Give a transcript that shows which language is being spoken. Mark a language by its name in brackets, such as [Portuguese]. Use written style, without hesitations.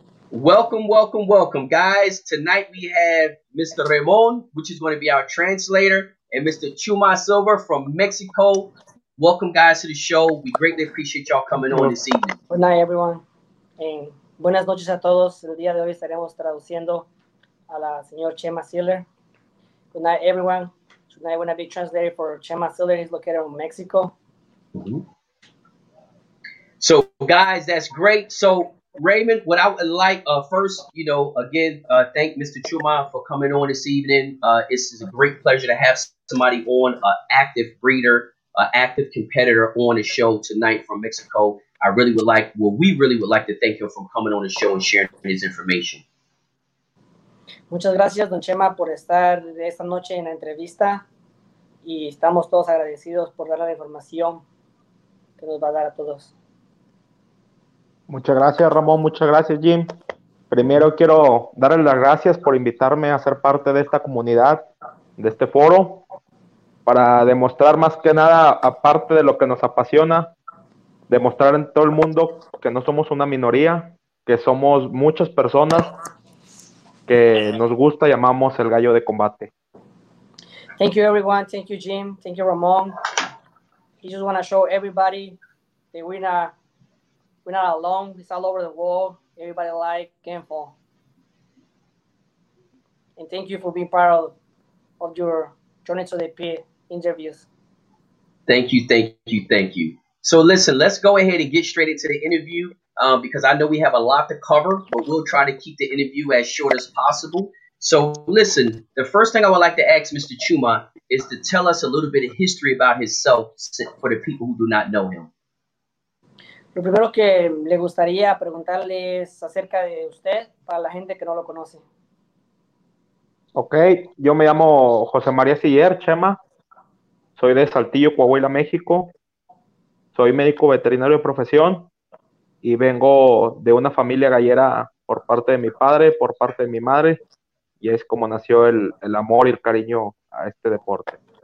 [English] Welcome, welcome, welcome, guys. Tonight we have Mr. Ramon, which is going to be our translator. And Mr. Chema Silva from Mexico, welcome guys to the show. We greatly appreciate y'all coming on this evening. Good night, everyone. [Spanish] Buenas noches a todos. El día de hoy estaremos traduciendo a la señor Chema Silva. [English] Good night, everyone. Tonight I'm going to be translating for Chema Silva. He's located in Mexico. So, guys, that's great. So, Raymond, what I would like, first, you know, again, thank Mr. Chuma for coming on this evening. It's a great pleasure to have somebody on, active breeder, active competitor on the show tonight from Mexico. I really would like, well, we really would like to thank him for coming on the show and sharing his information. [Spanish] Muchas gracias, Don Chema, por estar esta noche en la entrevista. Y estamos todos agradecidos por dar la información que nos va a dar a todos. Muchas gracias, Ramón. Muchas gracias, Jim. Primero quiero darle las gracias por invitarme a ser parte de esta comunidad, de este foro, para demostrar más que nada, aparte de lo que nos apasiona, demostrar en todo el mundo que no somos una minoría, que somos muchas personas que nos gusta y amamos el gallo de combate. [English] Thank you, everyone. Thank you, Jim. Thank you, Ramón. I just want to show everybody that we're not alone. It's all over the world. Everybody like Kenfo. And thank you for being part of your Journey to the Pit interviews. Thank you, thank you, thank you. So listen, let's go ahead and get straight into the interview because I know we have a lot to cover, but we'll try to keep the interview as short as possible. So listen, the first thing I would like to ask Mr. Chuma is to tell us a little bit of history about himself for the people who do not know him. [Spanish] Lo primero que le gustaría preguntarle es acerca de usted para la gente que no lo conoce. Okay, yo me llamo José María Siller, Chema. Soy de Saltillo, Coahuila, México. Soy médico veterinario de profesión y vengo de una familia gallera por parte de mi padre, por parte de mi madre, y es como nació el amor y el cariño a este deporte.